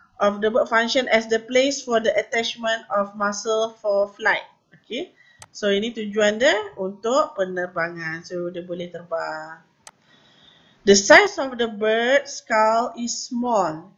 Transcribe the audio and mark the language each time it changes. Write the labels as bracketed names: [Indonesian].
[English] Of the bird function as the place for the attachment of muscle for flight. Okay. [Malay] So, ini tujuan dia untuk penerbangan. So, dia boleh terbang. [English] The size of the bird skull is small.